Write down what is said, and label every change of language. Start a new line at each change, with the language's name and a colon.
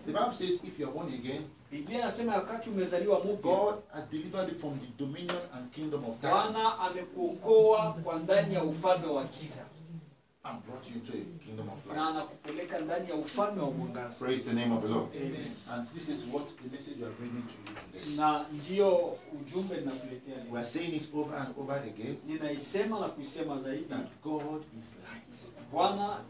English: The Bible says if you are born again,
Swahili: Biblia inasema wakati umezaliwa mupya,
English: God has delivered you from the dominion and kingdom of darkness.
Swahili: Bwana amekuokoa kwa ndani ya ufalme wa giza.
English: and brought you into a kingdom of light. Praise the name of the Lord. Amen. And this is what the message we are bringing to you today. We are saying it over and over again that God is light.